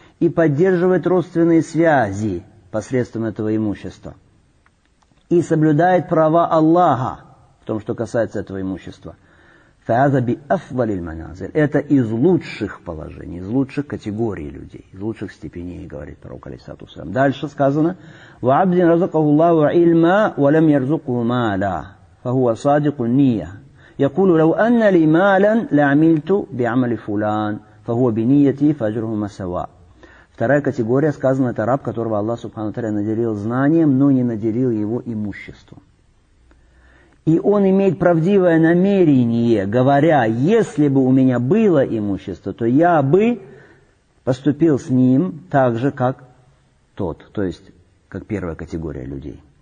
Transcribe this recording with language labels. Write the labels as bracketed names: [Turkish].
[Russian] И поддерживает родственные связи посредством этого имущества. И соблюдает права Аллаха в том, что касается этого имущества. [Arabic] فَهَذَا بِأَفْضَلِ الْمَنَازِلِ. [Russian] Это из лучших положений, из лучших категорий людей, из лучших степеней, говорит пророк алейхиссалату вассалям. Дальше сказано, [Arabic] وَعَبْدٍ رَزَقَهُ اللَّهُ عِلْمًا وَلَمْ يَرْزُقُهُ مَالًا فَهُوَ صَادِقُ النِّيَّةِ يَقُولُ لَوْ أَنَّ لِي مَالًا لَعَمِلْتُ بِعَمَلِ فُلَانٍ فَهُوَ بِنِيَّتِي فَأَجْرُهُ مَسَوَاءٌ. [Russian] Вторая категория сказана, это раб, которого Аллах Субхану Тааля наделил знанием, но не наделил его имуществом. И он имеет правдивое намерение, говоря, если бы у меня было имущество, то я бы поступил с ним так же, как тот, то есть как первая категория людей.